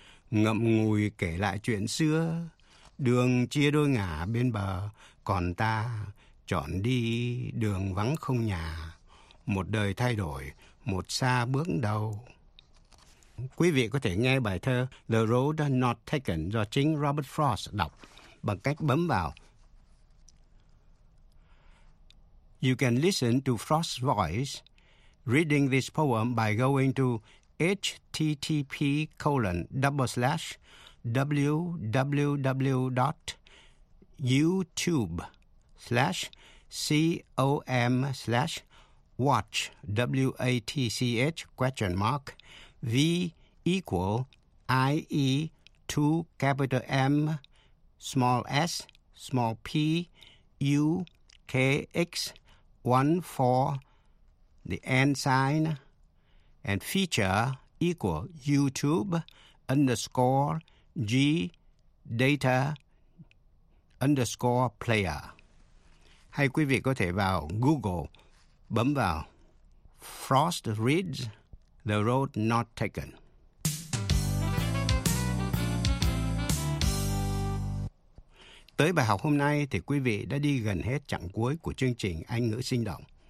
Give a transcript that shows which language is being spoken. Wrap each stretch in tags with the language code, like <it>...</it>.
<vi>Ngậm ngùi kể lại chuyện xưa, đường chia đôi ngả bên bờ, còn ta chọn đi đường vắng không nhà. Một đời thay đổi, một xa bước đầu. Quý vị có thể nghe bài thơ The Road Not Taken do chính Robert Frost đọc bằng cách bấm vào.</vi> <en>You can listen to Frost's voice reading this poem by going to http://www.youtube/com/watch.vatch?v=ie2M small s small p u k x 14 the and sign and feature=youtube_player.</en> <vi>Hay quý vị có thể vào Google bấm vào Frost Reads The Road Not Taken. Tới bài học hôm nay thì quý vị đã đi gần hết chặng cuối của chương trình Anh ngữ sinh động.</vi>